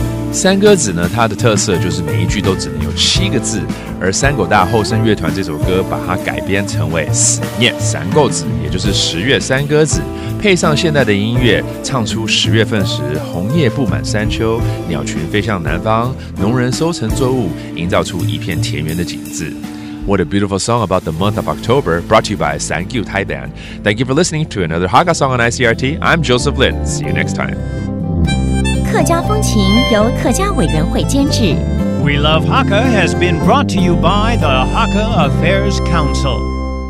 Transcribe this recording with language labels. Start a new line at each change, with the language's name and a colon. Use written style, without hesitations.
Chinese: 三歌词呢，它的特色就是每一句都只能有七个字，而三狗大后生乐团这首歌把它改编成为《思念三歌词》，也就是十月三歌词，配上现代的音乐，唱出十月份时红叶布满山丘，鸟群飞向南方，农人收成作物，营造出一片田园的景致。
English: What a beautiful song about the month of October, brought to you by 三歌词Band. Thank you for listening to another Hakka song on ICRT. I'm Joseph Lin. See you next time.
Chinese: 客家风情由客家委员会监制。
English: We Love Hakka has been brought to you by the Hakka Affairs Council.